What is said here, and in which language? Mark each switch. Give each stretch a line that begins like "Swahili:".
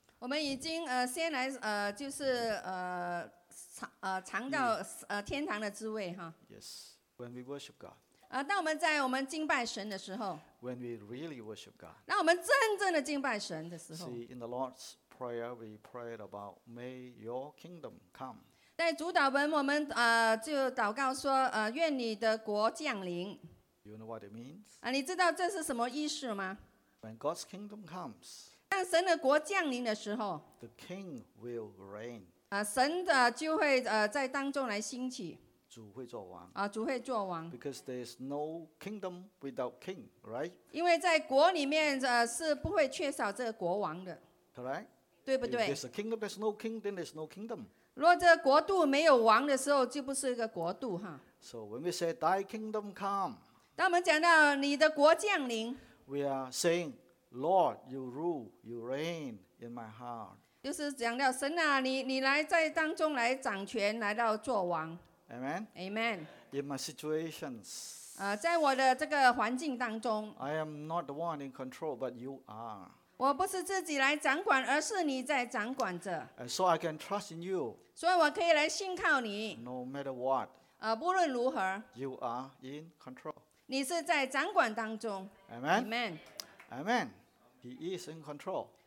Chinese: 我们已经先来尝到天堂的滋味哈。
English: Yes, when we worship God.
Chinese: 当我们在我们敬拜神的时候。
English: When we really worship God.
Chinese: 当我们真正的敬拜神的时候。
English: See, in the Lord's prayer, we prayed about May Your Kingdom come.
Chinese: 在主导文我们就祷告说，愿你的国降临。
English: You know what it means?
Chinese: 你知道这是什么意思吗？
English: When God's kingdom comes,
Chinese: 当神的国降临的时候,
English: the king will reign.
Chinese: 神的就会在当中来兴起。主会作王, 主会作王。
English: Because there's no kingdom without king, right?
Chinese: 因为在国里面是不会缺少这个国王的。
English: Correct?
Chinese: 对不对?
English: If there's a kingdom, there's no king, then there's no kingdom.
Chinese: 若这国度没有王的时候，就不是一个国度哈。
English: So when we say, Thy kingdom come,
Chinese: 当我们讲到你的国降临,
English: we are saying, Lord, you rule, you reign in my heart.
Chinese: 就是讲到神啊，你来在当中来掌权，来到作王。
English: Amen. Amen. In my situations,
Chinese: 在我的这个环境当中,
English: I am not the one in control, but you are.
Chinese: 我不是自己来掌管，而是你在掌管着。
English: And so I can trust in you.
Chinese: 所以我可以来信靠你。
English: No matter what,
Chinese: 不论如何,
English: you are in control.
Chinese: 你是在掌管当中。
English: Amen. Amen. Amen. He is in control.